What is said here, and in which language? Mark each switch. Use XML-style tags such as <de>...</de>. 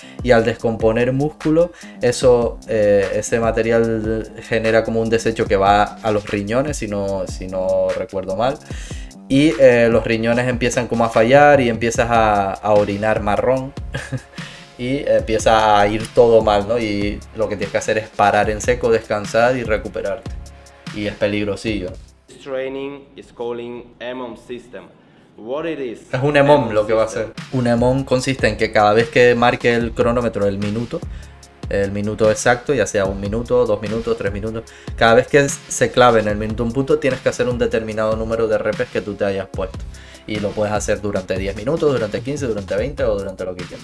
<es>Y al descomponer músculo, ese material genera como un desecho que va a los riñones, si no recuerdo mal. Y los riñones empiezan como a fallar y empiezas a orinar marrón. Y empieza a ir todo mal, ¿no? Y lo que tienes que hacer es parar en seco, descansar y recuperarte. Y es peligrosillo.</es> <en>Training is calling EMOM system. What it is?</en> <es>Es un EMOM lo que va a hacer. Un EMOM consiste en que cada vez que marque el cronómetro, el minuto exacto, ya sea un minuto, 2 minutos, 3 minutos, cada vez que se clave en el minuto un punto, tienes que hacer un determinado número de reps que tú te hayas puesto. Y lo puedes hacer durante 10 minutos, durante 15, durante 20 o durante lo que quieras.</es>